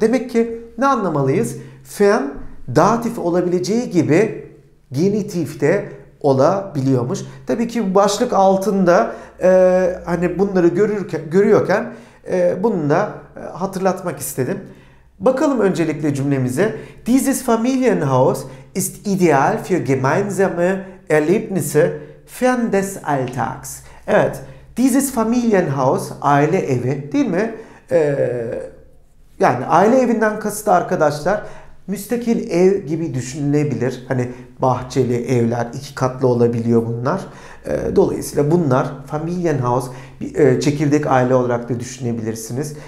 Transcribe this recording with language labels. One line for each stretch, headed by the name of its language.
Turkish: Demek ki ne anlamalıyız? Fen datif olabileceği gibi genitif de olabiliyormuş. Tabii ki bu başlık altında hani bunları görüyorken bunu da hatırlatmak istedim. Bakalım öncelikle cümlemize.
German: Dieses Familienhaus ist ideal für gemeinsame Erlebnisse fern des Alltags.
Turkish: Evet, dieses Familienhaus aile evi değil mi? Yani aile evinden kasıt arkadaşlar müstakil ev gibi düşünülebilir. Hani bahçeli evler iki katlı olabiliyor bunlar. Dolayısıyla bunlar Familienhaus bir, çekirdek aile olarak da düşünebilirsiniz.